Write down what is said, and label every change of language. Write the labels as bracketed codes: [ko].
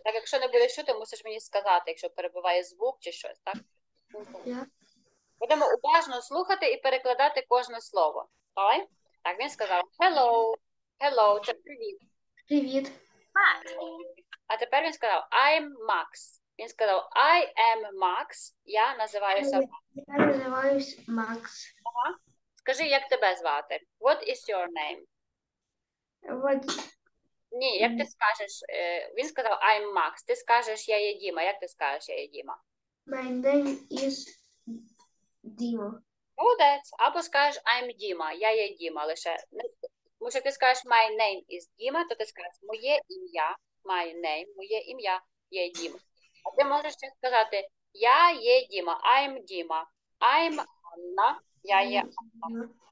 [uk] Так, якщо не будеш чути, мусиш мені сказати, якщо перебуває звук чи щось, так? [en] Yeah. [uk] Будемо уважно слухати і перекладати кожне слово. Давай? Так, він сказав hello. Hello, це привіт. Привіт. [en] Max. [uk] А тепер він сказав [en] I'm Max. [uk] Він сказав [en] I am Max. [uk] Я називаюся [en] Max. [uk] Я називаюсь Max. Ага. Скажи, як тебе звати? [en] What is your name? What? [uk] Ні, як ти скажеш, він сказав [en] I'm Max. [uk] Ти скажеш я є Діма. Як ти скажеш я є Діма? [en] My name is Діма. Будець. [uk] Або скажеш I'm Діма, я є Діма лише. Тому що ти скажеш [en] my name is Діма, [uk] то ти скажеш моє ім'я, my name, моє ім'я є Діма. А ти можеш ще сказати я є Діма, [en] I'm Діма, I'm Анна, [uk] я є Анна.